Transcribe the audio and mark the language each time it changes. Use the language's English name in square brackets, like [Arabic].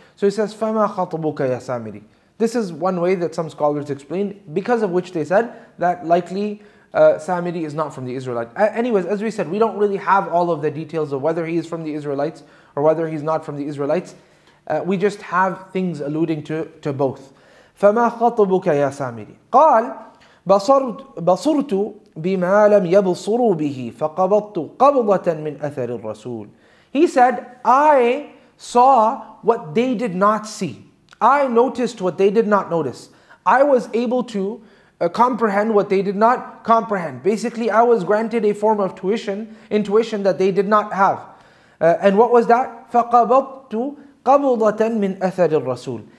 [English] So he says, [Arabic] فَمَا خَطُبُكَ يَا [English] Samiri. This is one way that some scholars explained, because of which they said that likely Samiri is not from the Israelites. Anyways, as we said, we don't really have all of the details of whether he is from the Israelites or whether he's not from the Israelites. We just have things alluding to both. [Arabic] فَمَا خَطُبُكَ يَا Samiri. قال بصرت بما لم يبصروا به فقبضت قبضة من أثر الرسول. [English] He said, I saw what they did not see. I noticed what they did not notice. I was able to comprehend what they did not comprehend. Basically, I was granted a form of intuition that they did not have. And what was that? [Arabic] فقبضت قبضة من أثر الرسول.